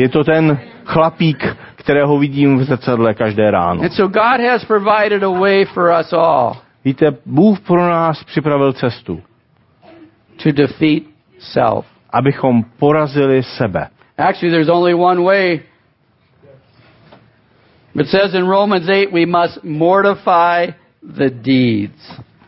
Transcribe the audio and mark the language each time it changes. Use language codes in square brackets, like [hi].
[cs] Je to ten chlapík, kterého vidím v zrcadle každé ráno. [en] And so God has provided a way for us all. [cs] Víte, Bůh pro nás připravil cestu. [en] To defeat self. [cs] Abychom porazili sebe. [en] Actually, there's only one way. It says in Romans 8, we must mortify the deeds.